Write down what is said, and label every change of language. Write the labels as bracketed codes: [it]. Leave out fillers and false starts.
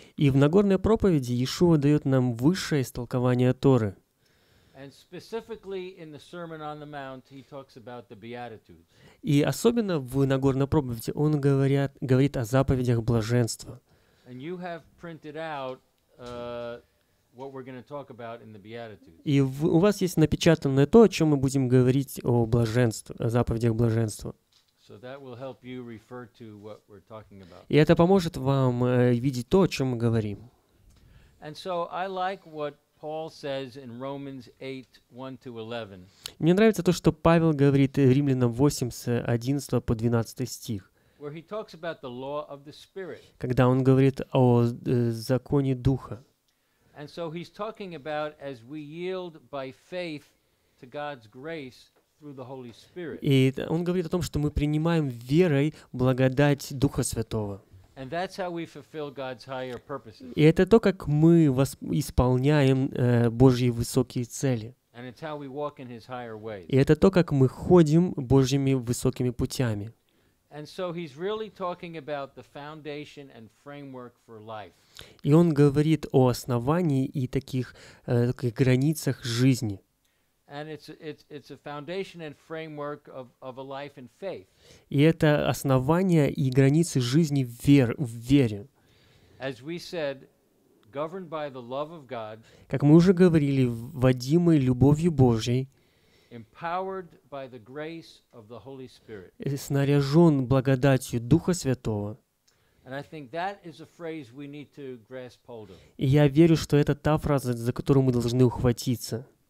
[ru] И в Нагорной проповеди Иешуа дает нам высшее истолкование Торы. [en] And specifically in the Sermon on the Mount, he talks about the Beatitudes. [ru] И особенно в Нагорной проповеди он говорит о заповедях блаженства. [en] And you have printed out what we're going to talk about in the Beatitudes. [ru] И у вас есть напечатанное то, о чем мы будем говорить о блаженстве, о заповедях блаженства. [en] So that will help you refer to what we're talking about. [ru] И это поможет вам видеть то, о чем мы говорим. [en] And so I like what Paul says in Romans 8, 1-11. [ru] Мне нравится то, что Павел говорит в Римлянам 8, с 11 по 12 стих. [en] Where he talks about the law of the Spirit. [ru] Когда он говорит о законе Духа. [en] And so he's talking about as we yield by faith to God's grace through the Holy Spirit. [ru] И он говорит о том, что мы принимаем верой благодать Духа Святого. [en] And that's how we fulfill God's higher purposes. [ru] И это то, как мы исполняем Божьи высокие цели. [en] And it's how we walk in his higher ways. [ru] И это то, как мы ходим Божьими высокими путями. [en] And so he's really talking about the foundation and framework for life. [ru] И он говорит о основании и таких, таких границах жизни. [en] And it's a foundation and framework of a life in faith. [ru] И это основание и границы жизни в вере. [en] As we said, governed by the love of God. [ru] Как мы уже говорили, водимой любовью Божьей. [en] Empowered by the grace of the Holy Spirit. [ru] Снаряжен благодатью Духа Святого. [en] And I think that is a phrase we need to grasp hold of. [ru] И я верю, что это та фраза, за которую мы должны ухватиться.